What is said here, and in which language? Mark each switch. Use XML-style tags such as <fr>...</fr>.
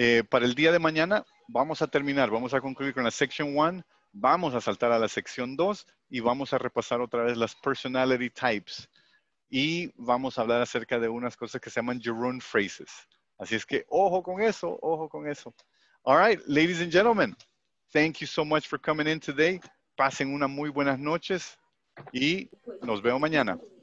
<es>Para el día de mañana, vamos a terminar. Vamos a concluir con la section 1. Vamos a saltar a la sección 2 y vamos a repasar otra vez las personality types. Y vamos a hablar acerca de unas cosas que se llaman gerund phrases. Así es que, ojo con eso, ojo con eso.</es> <en>All right, ladies and gentlemen, thank you so much for coming in today.</en> <es>Pasen una muy buenas noches y nos veo mañana.</es>